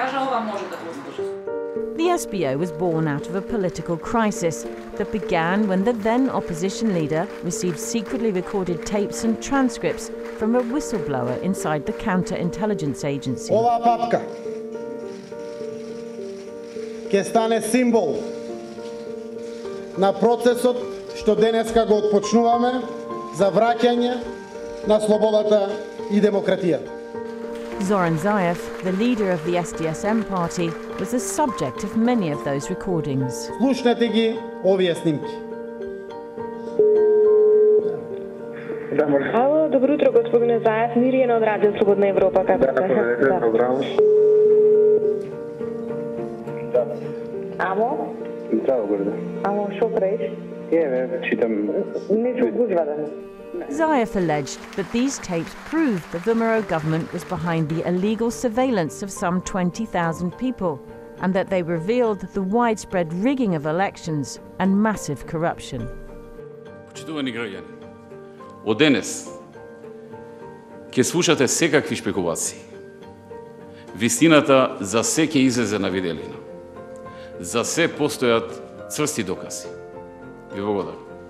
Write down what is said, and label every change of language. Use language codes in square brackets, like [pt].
[en] The SPO was born out of a political crisis that began when the then opposition leader received secretly recorded tapes and transcripts from a whistleblower inside the counter-intelligence agency. [mk] Ova papka ќе стане символ на процесот што денеска го отпочнуваме за враќање на слободата и демократија. [en] Zoran Zaev, the leader of the SDSM party, was the subject of many of those recordings. [mk] Слушнете ги овие снимки. Да, може. Ало, добро утро, господине Заев. Мирјена од Радио Слободна Европа, како сте? Да, како сте? Да. Ало? Здраво, горде. Ало, шо преш? Еве, читам... Не шо гузва да. [en] Zaev alleged that these tapes proved the VMRO government was behind the illegal surveillance of some 20,000 people and that they revealed the widespread rigging of elections and massive corruption. [mk] Почитувани граѓани, од денес ќе слушате секакви спекулации. Вистината за се ќе излезе на виделина. За се постојат цврсти докази. Ви благодарам.